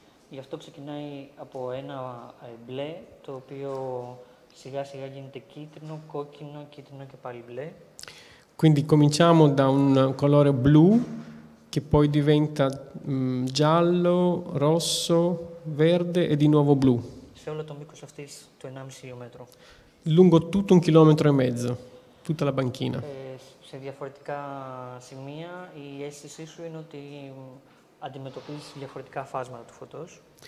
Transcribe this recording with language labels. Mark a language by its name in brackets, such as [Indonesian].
[Greek] Γι' αυτό ξεκινάει από ένα μπλε, το οποίο σιγά σιγά γίνεται κίτρινο, κόκκινο, κίτρινο και πάλι μπλε. [Italian] Quindi cominciamo da un colore blu che poi diventa giallo, rosso, verde e di nuovo blu. [Greek] Σε όλο το μήκος αυτής του 1,5 χιλιόμετρο. [Italian] Lungo tutto 1,5 km, tutta la banchina. [Greek] Σε διαφορετικά σημεία, η αίσθησή σου είναι ότι αντιμετωπίζεις διαφορετικά φάσματα του φωτός.